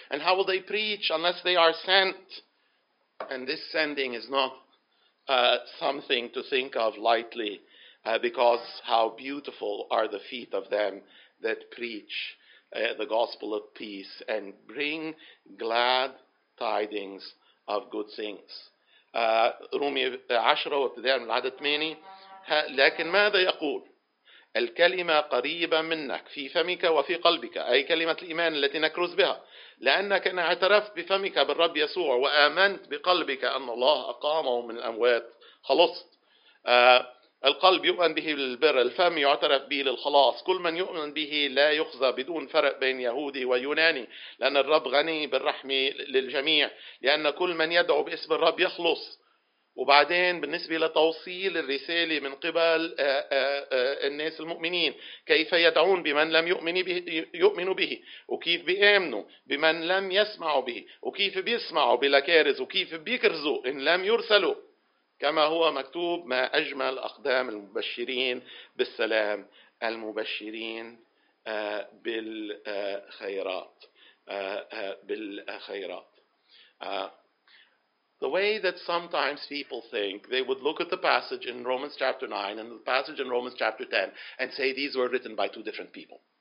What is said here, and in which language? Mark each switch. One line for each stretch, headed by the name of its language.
English: And how will they preach unless they are sent? And this sending is not something to think of lightly, because how beautiful are the feet of them that preach the gospel of peace and bring glad tidings of good things.
Arabic: رومي 10 وابتداء من العدد 8. لكن ماذا يقول؟ الكلمة قريبة منك في فمك وفي قلبك، أي كلمة الإيمان التي نكرز بها، لأنك إن اعترفت بفمك بالرب يسوع وآمنت بقلبك أن الله أقامه من الأموات خلصت. القلب يؤمن به للبر، الفم يعترف به للخلاص. كل من يؤمن به لا يخزى، بدون فرق بين يهودي ويوناني، لأن الرب غني بالرحمة للجميع، لأن كل من يدعو باسم الرب يخلص. وبعدين بالنسبة لتوصيل الرسالة من قبل الناس المؤمنين، كيف يدعون بمن لم يؤمن به، وكيف بيأمنوا بمن لم يسمعوا به، وكيف بيسمعوا بلا كارز، وكيف بيكرزوا إن لم يرسلوا، كما هو مكتوب: ما أجمل أقدام المبشرين بالسلام، المبشرين بالخيرات، بالخيرات.
English: The way that sometimes people think, they would look at the passage in Romans chapter 9 and the passage in Romans chapter 10 and say these were written by two different people.